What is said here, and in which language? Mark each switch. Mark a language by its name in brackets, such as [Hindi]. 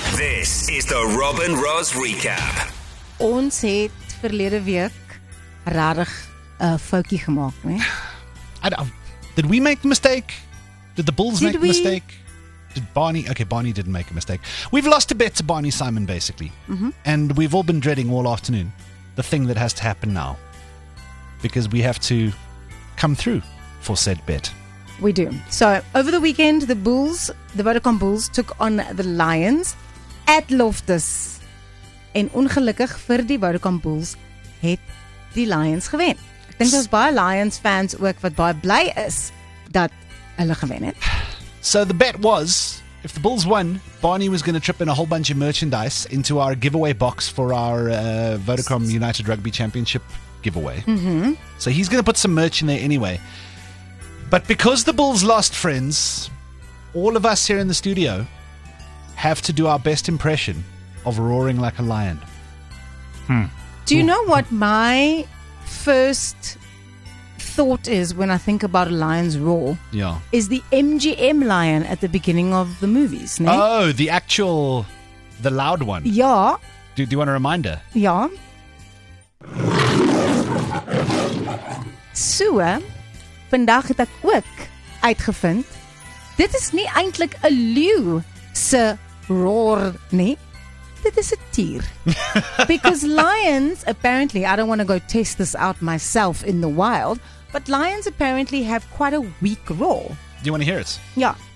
[English] This is the Robin Ross Recap. [Afrikaans] Ons het verlede week rarig 'n foutjie gemaak, né? [English] Did we make a mistake? Did the Bulls make a mistake? Did Barney? Okay, Barney didn't make a mistake. We've lost a bet to Barney Simon, basically. Mm-hmm. And we've all been dreading all afternoon the thing that has to happen now. Because we have to come through for said bet. We do. So, over the weekend, the Bulls, the Vodacom Bulls, took on the Lions at Loftus. [Afrikaans] En ongelukkig vir die Vodacom Bulls het die Lions gewen. Ek dink daar's baie Lions fans ook wat baie bly is dat hulle gewen het. [English] So the bet was, if the Bulls won, Barney was going to trip in a whole bunch of merchandise into our giveaway box for our Vodacom United Rugby Championship giveaway. Mm-hmm. So he's going to put some merch in there anyway. But because the Bulls lost, friends, all of us here in the studio have to do our best impression of roaring like a lion. Hmm. Do you know what my first thought is when I think about a lion's roar? Yeah. Is the MGM lion at the beginning of the movies, right? Oh, the actual, the loud one. Yeah. Do you want a reminder? Yeah. [Afrikaans] So, vandag het ek ook uitgevind, dit is nie eintlik 'n leeu se roar nie. Dit is 'n tier. [English] Because lions, apparently, I don't want to go test this out myself in the wild, but lions apparently have quite a weak roar. Do you want to hear it? Yeah.